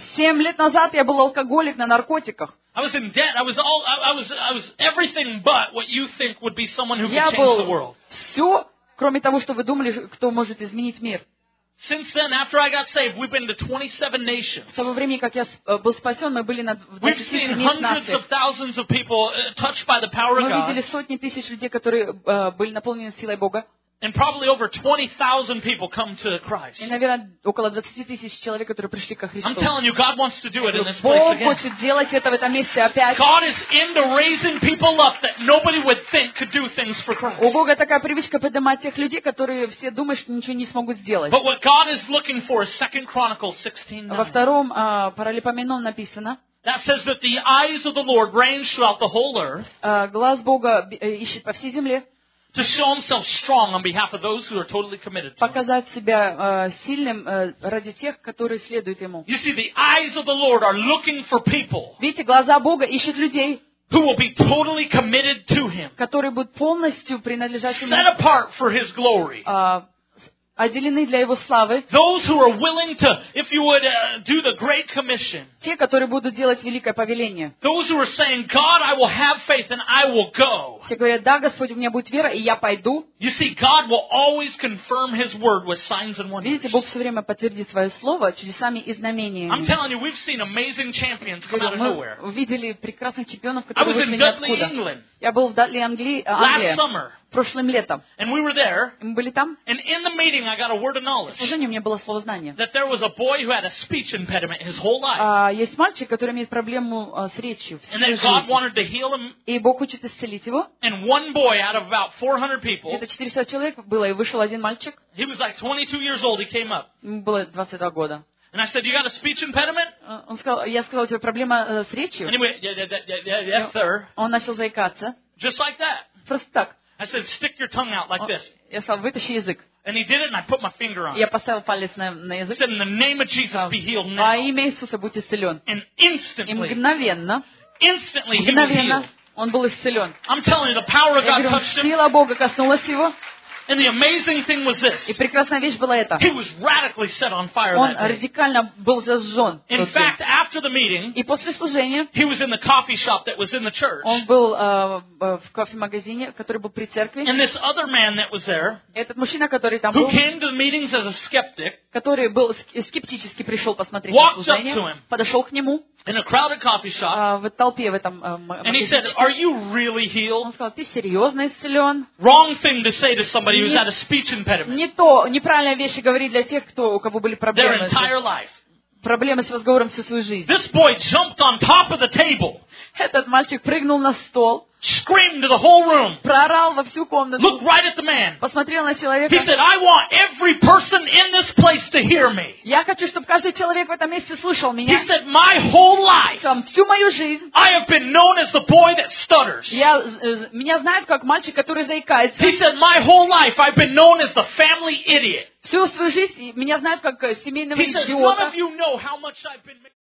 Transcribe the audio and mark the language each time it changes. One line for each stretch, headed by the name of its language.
Russian: 7 лет назад я был алкоголик на наркотиках.
English: I was in debt. I was everything but what you think would be someone who could change the world.
Russian: Все, кроме того, что вы думали, кто может изменить мир.
English: Since then, after I got saved, we've been to 27 nations.
Russian: С того времени, как я был спасен, мы были на 27 местах.
English: We've seen hundreds of thousands of people touched by the power of God.
Russian: Мы видели сотни тысяч людей, которые были наполнены силой Бога.
English: And probably over 20,000 people come to Christ.
Russian: И, наверное, около 20,000 человек, которые пришли ко Христу.
English: I'm telling you, God wants to do it in this place again.
Russian: Бог хочет делать это в этом месте опять.
English: God is into raising people up that nobody would think could do things for Christ.
Russian: У Бога такая привычка поднимать тех людей, которые все думают, что ничего не смогут сделать.
English: But what God is looking for is 2 Chronicles 16:9.
Russian: Во втором Паралипоменон написано.
English: That says that the eyes of the Lord range throughout the whole earth.
Russian: Глаз Бога ищет по всей земле.
English: To show himself strong on behalf of those who are totally committed to him.
Russian: Показать себя сильным ради тех, которые следуют ему.
English: You see, the eyes of the Lord are looking for people.
Russian: Видите, глаза Бога ищут людей.
English: Who will be totally committed to him.
Russian: Которые будут полностью принадлежать ему.
English: Set apart for his glory.
Russian: Отделены для его славы.
English: Those who are willing to, if you would, do the great commission.
Russian: Те, которые будут делать великое повеление.
English: Those who are saying, God, I will have faith and I will go.
Russian: Те, говорят, да, Господь, у меня будет вера, и я пойду.
English: You see, God will always confirm His word with signs and wonders.
Russian: Видите, Бог все время подтвердит свое слово чудесами и знамениями.
English: I'm telling you, we've seen amazing champions come out of nowhere.
Russian: Мы видели прекрасных чемпионов, которые вышли ниоткуда.
English: I was in Dudley, England.
Russian: Я был в Дадли, Англии.
English: Last summer.
Russian: прошлым летом.
English: And we were there.
Russian: И мы были там.
English: And in the meeting, I got a word of knowledge.
Russian: Служение у меня было слово знания.
English: That there was a boy who had a speech impediment his whole life.
Russian: Есть мальчик, который имеет проблему с речью.
English: And that God wanted to heal him.
Russian: И Бог хочет исцелить его.
English: And one boy out of about 400 people.
Russian: Где-то 400 человек было, и вышел один мальчик.
English: He was like 22 years old. He came up.
Russian: Было 22 года.
English: And I said, "You got a speech impediment?"
Russian: Он сказал, я сказал, у тебя проблема с речью.
English: Anyway, yeah, sir.
Russian: Он начал заикаться.
English: Just like that.
Russian: Просто так.
English: I said, "Stick your tongue out like this."
Russian: Я сказал, вытащи язык.
English: And he did it, and I put my finger on.
Russian: Я поставил палец на язык.
English: I said, "In the name of Jesus, be healed now."
Russian: Во имя Иисуса будь исцелен.
English: And instantly.
Russian: И мгновенно.
English: Instantly, he was healed.
Russian: Он был исцелен.
English: I'm telling you, the power of God touched him.
Russian: Сила Бога коснулась его.
English: And the amazing thing was this.
Russian: И прекрасная вещь была эта.
English: He was radically set on fire
Russian: Он
English: that day.
Russian: Он радикально был зажжен.
English: In fact, after the meeting,
Russian: и после служения,
English: he was in the coffee shop that was in the church.
Russian: Он был в кофемагазине, который был при церкви.
English: And this other man that was there,
Russian: этот мужчина, который там
English: who
Russian: был,
English: came to the meetings as a skeptic,
Russian: который был скептически пришел посмотреть на служение, подошел к нему.
English: In a crowded coffee shop.
Russian: В толпе в этом.
English: And he said, "Are you really healed?"
Russian: Он сказал, ты серьезно исцелен?
English: Wrong thing to say to somebody who's had a speech impediment.
Russian: Не то, неправильная вещь говорить для тех, кто у кого были проблемы.
English: Their entire life.
Russian: Проблемы с разговором всю свою жизнь.
English: This boy jumped on top of the table.
Russian: Этот мальчик прыгнул на стол.
English: Screamed to the whole room.
Russian: Проорал во всю комнату.
English: Looked right at the man.
Russian: Посмотрел на человека.
English: He said, "I want every person in this place to hear me."
Russian: Я хочу, чтобы каждый человек в этом месте слышал меня.
English: He said, "My whole life."
Russian: Всю мою жизнь.
English: I have been known as the boy that stutters.
Russian: Меня знают как мальчик, который заикается.
English: He said, "My whole life, I've been known as the family idiot."
Russian: Всю свою жизнь меня знают как семейного идиота.
English: He said, "None of you know how much I've been..."